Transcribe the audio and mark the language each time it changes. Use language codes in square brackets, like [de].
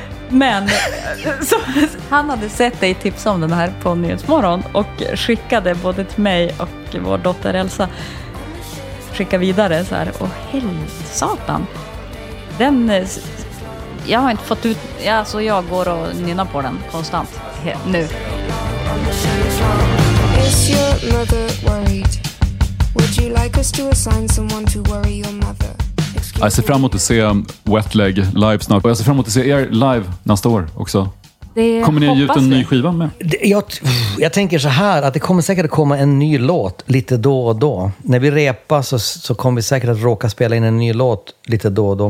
[sv] Men så, han hade sett dig tips om den här på Nyhetsmorgon och skickade både till mig och vår dotter Elsa. Skicka vidare så här. Och helsatan. Jag har inte fått ut, alltså jag går och nynnar på den konstant nu. [en] Is your mother worried? Would you like us to assign someone to worry your mother? [sv] Jag ser fram emot att se Wet Leg live snart. Och jag ser fram emot att se er live nästa år också. Kommer ni att ge ut en ny skiva med? Jag tänker så här, att det kommer säkert komma en ny låt lite då och då. När vi repar så kommer vi säkert att råka spela in en ny låt lite då och då.